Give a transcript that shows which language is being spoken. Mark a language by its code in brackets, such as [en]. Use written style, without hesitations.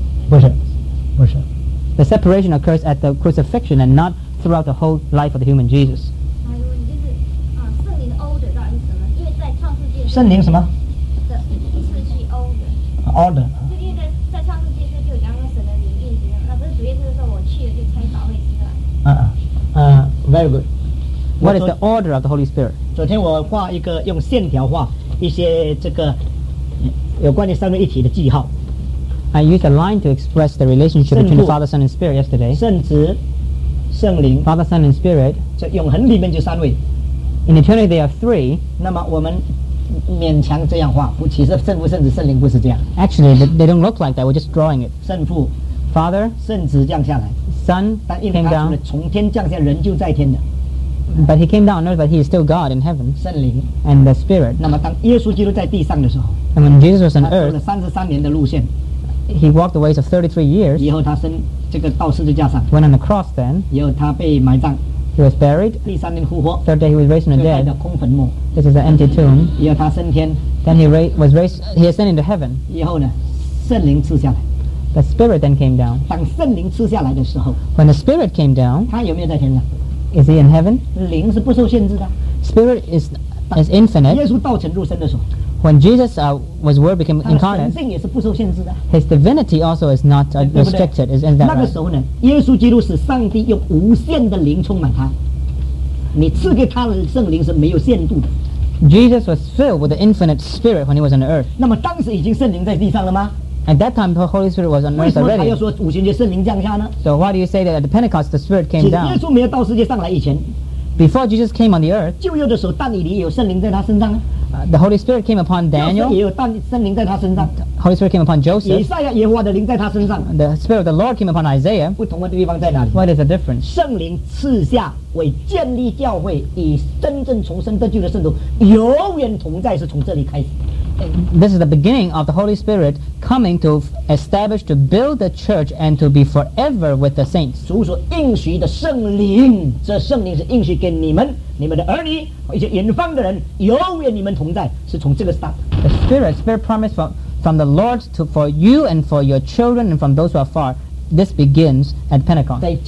[en] The separation occurs at the crucifixion and not throughout the whole life of the human Jesus. [zh] 还有问题就是，圣灵的 order 到底是什么？因为在创世纪，圣灵什么？的次序 order。 [en] Order。 [zh] 就因为在创世纪就有两个神的灵运行，那不是主耶稣说我去了就拆堡垒是吧？ [en] Very good. What is the order of the Holy Spirit? [zh] 昨天我画一个用线条画一些这个有关于三位一体的记号。 [en] I used a line to express the relationship between the Father, Son, and Spirit yesterday. [zh] 圣子、圣灵、 [en] Father, Son, and Spirit. [zh] 这永恒里面就三位。 [en] In eternity, there are three. [zh] 那么我们勉强这样画，不，其实圣父、圣子、圣灵不是这样。 [en] Actually, they don't look like that. We're just drawing it. [zh] 圣父、 [en] Father, [zh] 圣子降下来。 [en] Son, [zh] 但因为他从从天降下，人就在天的。 [en] But he came down on earth, but he is still God in heaven. [zh] 圣灵 [en] and the Spirit. [zh] 那么当耶稣基督在地上的时候 [en] ，and when Jesus was on earth, [zh] 他走了33年的路线。 [en] He walked the ways of 33 years. [zh] 以后他升这个到十字架上。 [en] Went on the cross then. [zh] 以后他被埋葬。 [en] He was buried. [zh] 第三天复活。 [en] Third day he was raised from the dead. [zh] 这是空坟墓。 [en] This is an empty tomb. [zh] 以后他升天。 [en] Then he ascended into heaven. [zh] 以后呢，圣灵赐下来。 [en] The Spirit then came down. [zh] 当圣灵赐下来的时候。 [en] When the Spirit came down. [zh] 他有没有在天上？ [en] Is he in heaven? [zh] 灵是不受限制的。 [en] Spirit is infinite. [zh] 耶稣道成肉身的时候。 [en] When Jesus was word became incarnate, [zh] 他的神性也是不受限制的。 [en] His divinity also is not restricted. Isn't that right? [zh] 那个时候呢，耶稣基督是上帝用无限的灵充满他。你赐给他的圣灵是没有限度的。 [en] Jesus was filled with the infinite spirit when he was on earth. [zh] 那么当时已经圣灵在地上了吗？ [en] At that time, the Holy Spirit was on earth already. [zh] 为什么他要说五旬节圣灵降下呢？ [en] So why do you say that at the Pentecost the Spirit came down? [zh] 耶稣没有到世界上来以前。 Before Jesus came on the earth, 旧约的时候，但以理有圣灵在他身上啊。 [en] The Holy Spirit came upon Daniel. Holy Spirit came upon Joseph. The Spirit of the Lord came upon Isaiah. What is the difference? This is the beginning of the Holy Spirit coming to establish, to build the church, and to be forever with the saints. [zh] 主所应许的圣灵, 这圣灵是应许给你们、你们的儿女, 一些远方的人, [en] the Spirit promised from the Lord to for you and for your children and from those who are far, this begins at Pentecost.